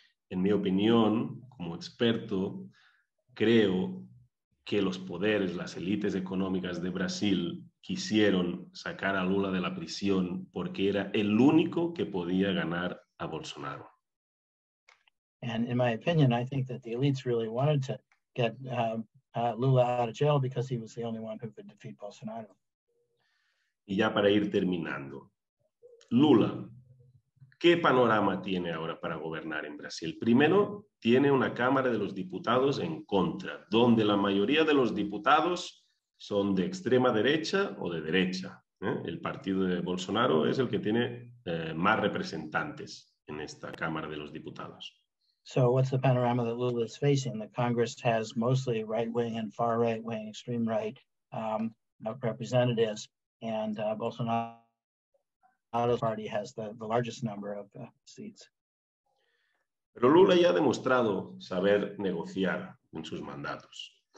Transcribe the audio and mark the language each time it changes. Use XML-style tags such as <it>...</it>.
<es>En mi opinión, como experto, creo que los poderes, las élites económicas de Brasil quisieron sacar a Lula de la prisión porque era el único que podía ganar a Bolsonaro.</es> <en>And in my opinion, I think that the elites really wanted to get Lula out of jail because he was the only one who could defeat Bolsonaro.</en> <es>Y ya para ir terminando, Lula, ¿qué panorama tiene ahora para gobernar en Brasil? Primero, tiene una Cámara de los Diputados en contra, donde la mayoría de los diputados son de extrema derecha o de derecha. El partido de Bolsonaro es el que tiene más representantes en esta Cámara de los Diputados.</es> <en>So what's the panorama that Lula is facing? The Congress has mostly right-wing and far-right-wing, extreme-right representatives, and Bolsonaro's party has the largest number of seats.</en> <es>Pero Lula ya ha demostrado saber negociar en sus mandatos.</es>